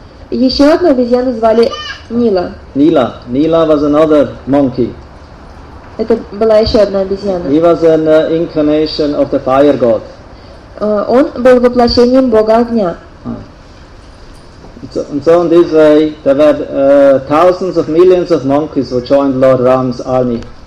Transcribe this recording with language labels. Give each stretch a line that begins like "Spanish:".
Russian: Еще одну обезьяну звали Нила.
English: Нила was another monkey.
Russian: Это была еще одна обезьяна.
English: He was an incarnation of the fire god.
Russian: Он был воплощением бога огня.
English: And so in this way, there were thousands of millions of monkeys who joined Lord Ram's army.